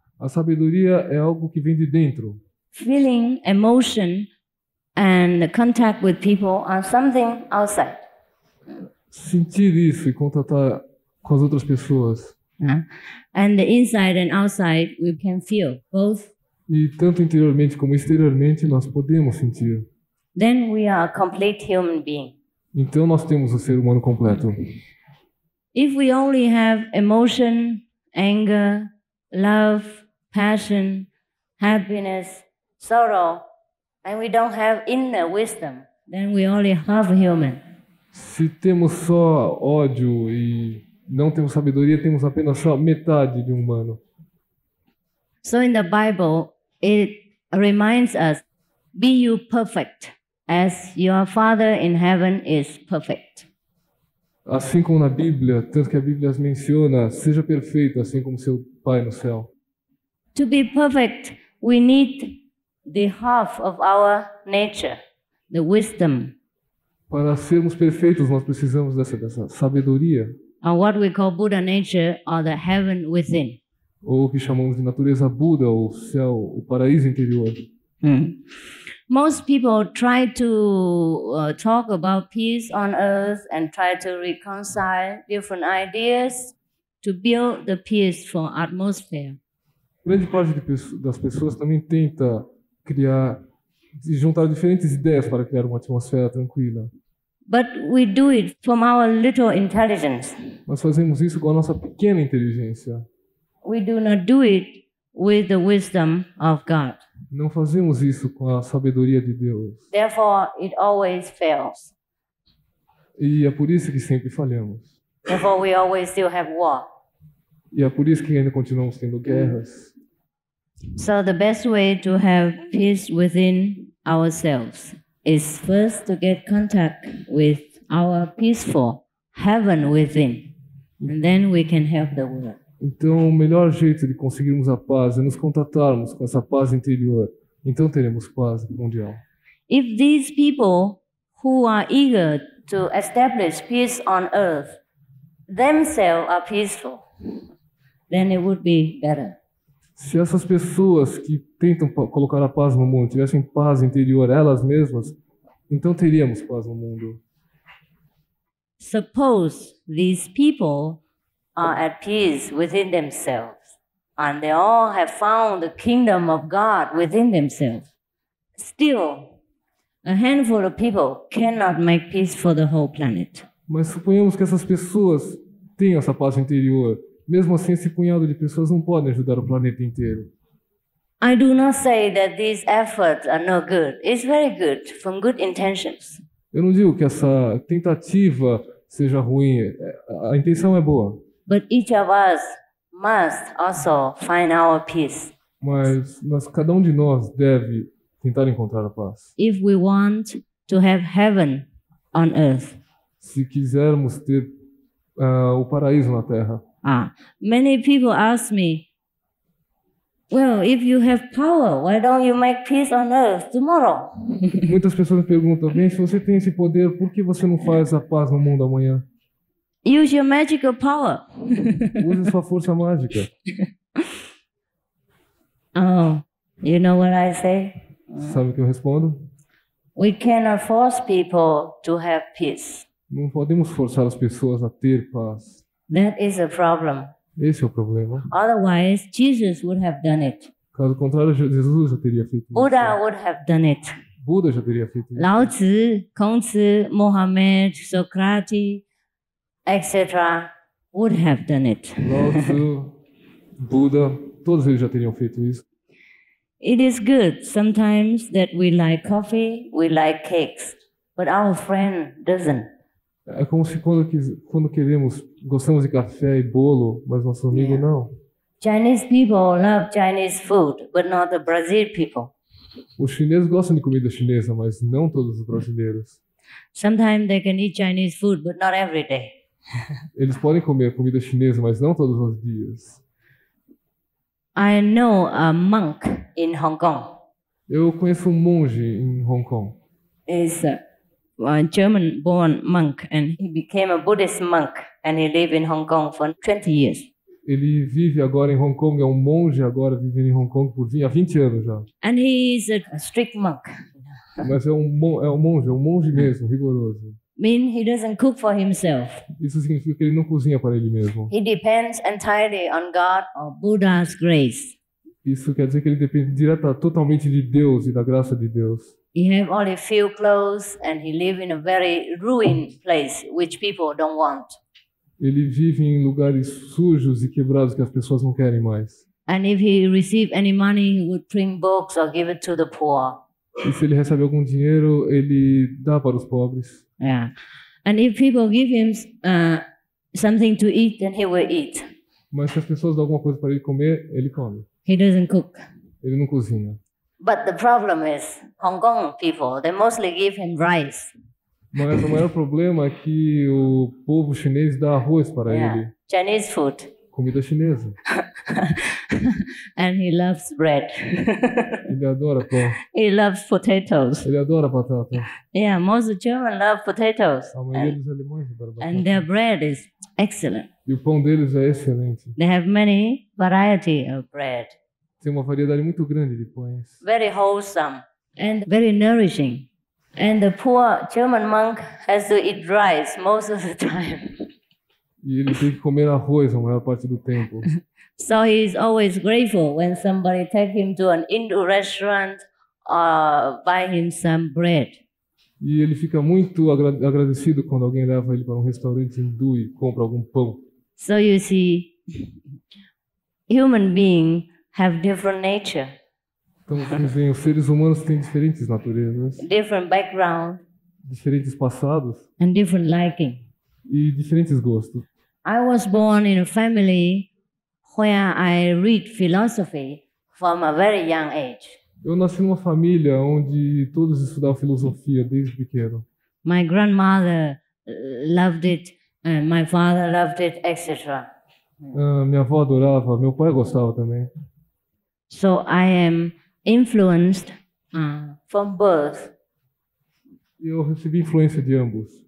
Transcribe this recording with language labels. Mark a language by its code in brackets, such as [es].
[pt] A sabedoria é algo que vem de dentro. [en] Feeling, emotion, and contact with people are something outside. [pt] Sentir isso e contatar com as outras pessoas. [en] And the inside and outside, we can feel both. [pt] E tanto interiormente como exteriormente, nós podemos sentir. [en] Then we are a complete human being. [pt] Então nós temos o ser humano completo. [en] If we only have emotion, anger, love, passion, happiness, sorrow, and we don't have inner wisdom, then we only half human. [pt] Se temos só ódio e não temos sabedoria, temos apenas só metade de um humano. [en] So in the Bible, it reminds us, be you perfect. As your Father in heaven is perfect. [pt] Assim como na Bíblia, tanto que a Bíblia as menciona, seja perfeito assim como seu Pai no céu. [en] To be perfect, we need the half of our nature, the wisdom. [pt] Para sermos perfeitos, nós precisamos dessa sabedoria. [en] And what we call Buddha nature or the heaven within. [pt] Ou o que chamamos de natureza Buda, o céu, o paraíso interior. [en] Most people try to talk about peace on earth and try to reconcile different ideas to build the peaceful atmosphere. [pt] Grande parte das pessoas também tenta criar e juntar diferentes ideias para criar uma atmosfera tranquila. [en] But we do it from our little intelligence. [pt] Nós fazemos isso com a nossa pequena inteligência. [en] We do not do it with the wisdom of God. [pt] Não fazemos isso com a sabedoria de Deus. [en] Therefore, it always fails. [pt] E é por isso que sempre falhamos. [en] Therefore, we always still have war. [pt] E é por isso que ainda continuamos tendo guerras. [en] So the best way to have peace within ourselves is first to get contact with our peaceful heaven within. And then we can help the world. [pt] Então, o melhor jeito de conseguirmos a paz é nos contatarmos com essa paz interior. Então, teremos paz mundial. [en] If these people who are eager to establish peace on earth themselves are peaceful, then it would be better. [pt] Se essas pessoas que tentam colocar a paz no mundo tivessem paz interior elas mesmas, então teríamos paz no mundo. [en] Suppose these people are at peace within themselves, and they all have found the kingdom of God within themselves. Still, a handful of people cannot make peace for the whole planet. [pt] Mas suponhamos que essas pessoas tenham essa paz interior. Mesmo assim, esse punhado de pessoas não pode ajudar o planeta inteiro. [en] I do not say that these efforts are no good. It's very good, from good intentions. [pt] Eu não digo que essa tentativa seja ruim. A intenção é boa. [en] But each of us must also find our peace. [pt] Mas cada um de nós deve tentar encontrar a paz. [en] If we want to have heaven on earth. [pt] Se quisermos ter o paraíso na terra. [en] Many people ask me, well, if you have power, why don't you make peace on earth tomorrow? [pt] Muitas pessoas me perguntam, bem, se você tem esse poder, por que você não faz a paz no mundo amanhã? [en] Use your magical power. [pt] Use sua força mágica. [en] Oh, you know what I say? [pt] Sabe o que eu respondo? [en] We cannot force people to have peace. [pt] Não podemos forçar as pessoas a ter paz. [en] That is a problem. [pt] Esse é o problema. [en] Otherwise, Jesus would have done it. [pt] Caso contrário, Jesus já teria feito isso. [en] Buddha would have done it. [pt] Buda já teria feito isso. [en] Lao Tzu, Kong Tzu, Mohammed, Socrates, etc. would have done it. [pt] Lao Tzu, Buda, todos eles já teriam feito isso. [en] It is good sometimes that we like coffee, we like cakes, but our friend doesn't. [pt] É como se quando queremos, gostamos de café e bolo, mas nosso amigo yeah. não. [en] Chinese people love Chinese food, but not the Brazil people. [pt] Os chineses gostam de comida chinesa, mas não todos os brasileiros. [en] Sometimes they can eat Chinese food, but not every day. [pt] Eles podem comer comida chinesa, mas não todos os dias. [en] I know a monk in Hong Kong. [pt] Eu conheço monge em Hong Kong. [en] A German-born monk, and he became a Buddhist monk, and he lived in Hong Kong for 20 years. [pt] Ele vive agora em Hong Kong, é monge agora vivendo em Hong Kong por 20 anos já. [en] And he is a strict monk. [pt] Mas é um monge mesmo, rigoroso. [en] Mean he doesn't cook for himself. [pt] Isso significa que ele não cozinha para ele mesmo. [en] He depends entirely on God or Buddha's grace. [pt] Isso quer dizer que ele depende totalmente de Deus e da graça de Deus. [en] He have only few clothes and he live in a very ruined place which people don't want. [pt] Ele vive em lugares sujos e quebrados que as pessoas não querem mais. [en] And if he receive any money, he would print books or give it to the poor. [pt] E se ele recebe algum dinheiro, ele dá para os pobres. Yeah. [en] And if people give him something to eat, then he will eat. [pt] Mas se as pessoas dão alguma coisa para ele comer, ele come. [en] He doesn't cook. [pt] Ele não cozinha. [en] But the problem is Hong Kong people, they mostly give him rice. [pt] Mas o maior problema é que o povo chinês dá arroz para yeah. ele. [en] Chinese food. [pt] Comida chinesa. [en] And he loves bread. [pt] Ele adora pão. [en] He loves potatoes. [pt] Ele adora batata. [en] Yeah, most Germans love potatoes. [pt] A maioria dos alemães adora batata. [en] And their bread is excellent. [pt] E o pão deles é excelente. [en] They have many variety of bread. [pt] Tem uma variedade muito grande de pães. [en] Very wholesome and very nourishing. And the poor German monk has to eat rice most of the time. [pt] E ele tem que comer arroz a maior parte do tempo. [en] So he is always grateful when somebody takes him to an Indian restaurant or buy him some bread. [pt] E ele fica muito agradecido quando alguém leva ele para restaurante hindu e compra algum pão. [en] So you see, human being have different nature. [pt] Então, dizem, os seres humanos têm diferentes naturezas. [en] Different background. [pt] Diferentes passados. [en] And different liking. [pt] E diferentes gostos. [en] I was born in a family where I read philosophy from a very young age. [pt] Eu nasci numa família onde todos estudavam filosofia desde pequeno. [en] My grandmother loved it, and my father loved it, etc. [pt] Minha avó adorava, meu pai gostava também. [en] So I am influenced from birth. [pt] Eu recebi influência de ambos.